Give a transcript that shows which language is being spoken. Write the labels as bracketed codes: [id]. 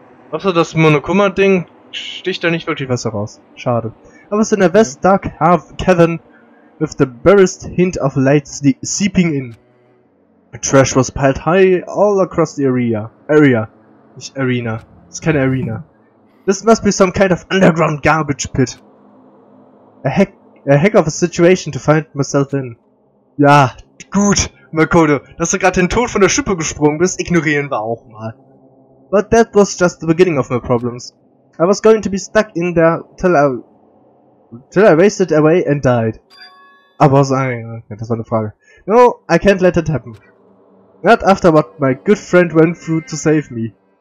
[de] Außer das Monokuma-Ding sticht da nicht wirklich was heraus. Schade. [en] I was in a vast dark cavern with the barest hint of light seeping in. Trash was piled high all across the area. [de] Nicht Arena. [en] It's [de] keine Arena. [en] This must be some kind of underground garbage pit. A heck of a situation to find myself in. [de] Ja, gut, Makoto, dass du gerade den Tod von der Schippe gesprungen bist, ignorieren wir auch mal. [en] But that was just the beginning of my problems. I was going to be stuck in there till I wasted away and died. [de] Aber das war eine Frage. [en] No, I can't let it happen. Not after what my good friend went through to save me.